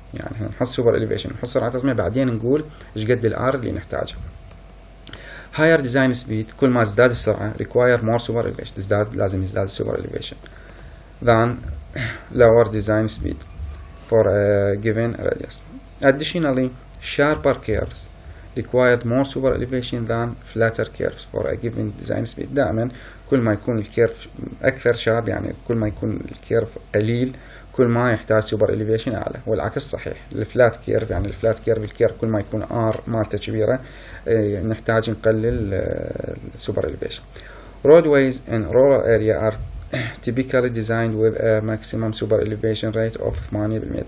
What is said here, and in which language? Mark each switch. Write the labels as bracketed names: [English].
[Arabic] يعني احنا نحط سوبر اليفيشن، نحط سرعه تصميميه، بعدين نقول ايش قد الار اللي نحتاجه. [English] higher design speed، [Arabic] كل ما ازداد السرعه [English] require more super elevation، [Arabic] ازداد لازم يزداد السوبر اليفيشن، [English] than lower design speed for a given radius. Additionally, sharper curves required more super elevation than flatter curves for a given design speed. [Arabic] دائما كل ما يكون الكيرف اكثر شارب، يعني كل ما يكون الكيرف قليل كل ما يحتاج سوبر اليفيشن اعلى، والعكس صحيح. الفلات كيرف، يعني الفلات كيرف الكيرف كل ما يكون ار مالته كبيره نحتاج نقلل السوبر اليفيشن. [English] Roadways in rural area are typically designed with a maximum super elevation rate of 8%.